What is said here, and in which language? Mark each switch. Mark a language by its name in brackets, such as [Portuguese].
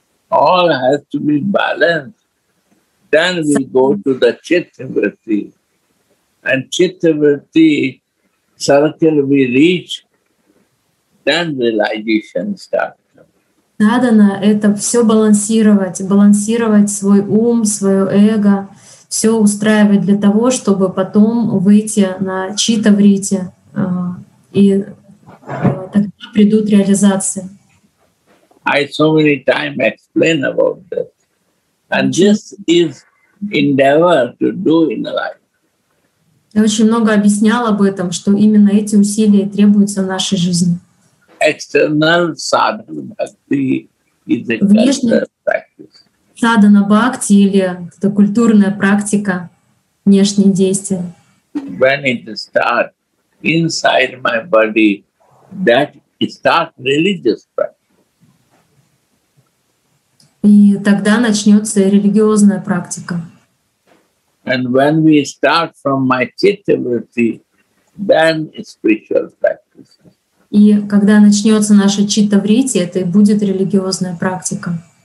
[English] All has to be balanced. Then we go to the chittavritti, and chittavritti circle we reach, then realization starts. [Russian] Sadhana – это все балансировать, балансировать свой ум, свое эго, все устраивать для того, чтобы потом выйти на читтавритти, и тогда придут реализации. [English] I so many times explain about this, and this is endeavor to do in life. [Russian] Я очень много объяснял об этом, что именно эти усилия требуются в нашей жизни. [English] External sadhana bhakti is a cultural practice. [Russian] Sadhana bhakti или это культурная практика, внешние действия. [English] When it starts inside my body, that starts religious practice. [Russian] И тогда начнется религиозная практика. [English] And when we start from my chittavritti, then spiritual practice. [Russian] И когда начнется наша читтавритти, это и будет религиозная практика.